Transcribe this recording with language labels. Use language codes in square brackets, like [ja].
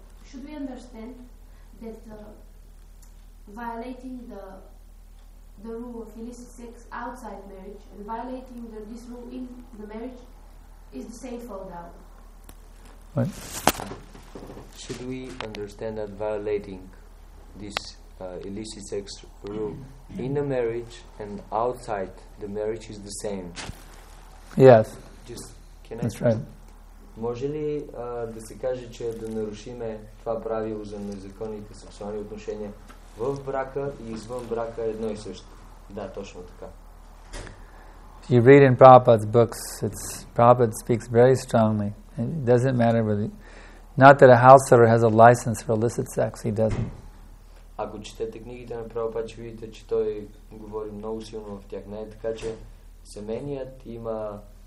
[en] Should we understand that violating the rule of illicit sex outside marriage and violating this rule in the marriage is the same fall down? What? Should we understand that violating this illicit sex rule in the marriage and outside the marriage is the same? Yes. Just can That's I? That's right. [bg] Може ли да се каже, че да нарушиме това правило за незаконните сексуални отношения в брака и извън брака едно и също? Да, точно така. [en] If you read in Prabhupada's books, Prabhupada speaks very strongly. It doesn't matter whether... Not that a house sitter has a license for illicit sex, he doesn't. [bg] Ако четете книгите на Прабхупада, ще видите, че той говори много силно в тях. Не е така, че семейният има...